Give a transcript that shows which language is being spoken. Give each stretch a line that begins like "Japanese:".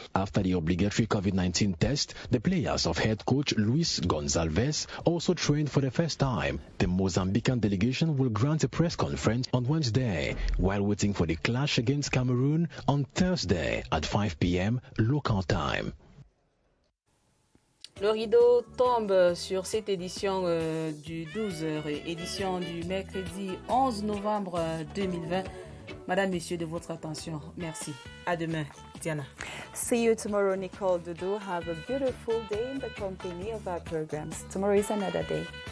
English: After the obligatory COVID-19 test, the players of head coach Luis Gonzalez also trained for the first time. The Mozambican delegation will grant a press conference on Wednesday while waiting for the clash against Cameroon on Thursday at 5 p.m. local time.
French: Le rideau tombe sur cette édition du 12h, édition du mercredi 11 novembre 2020. Madame, Monsieur, de votre attention, merci. À demain, Diana.
English: See you tomorrow, Nicole Dudu. Have a beautiful day in the company of our programs. Tomorrow is another day.